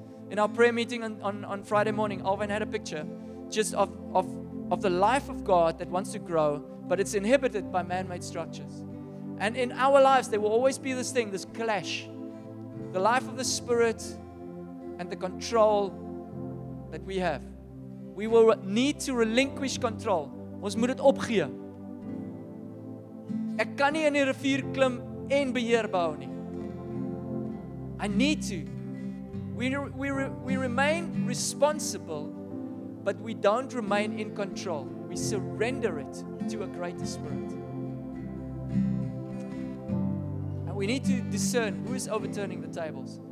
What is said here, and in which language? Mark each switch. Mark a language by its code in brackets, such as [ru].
[en] In our prayer meeting on Friday morning, Alvin had a picture just of the life of God that wants to grow, but it's inhibited by man-made structures. And in our lives, there will always be this thing, this clash. The life of the Spirit and the control that we have. We will need to relinquish control. [af] Ons moet dit opgee. Ek kan nie in die rivier klim en beheer bou nie. [en] I need to. We remain responsible, but we don't remain in control. We surrender it to a greater Spirit. And we need to discern who is overturning the tables.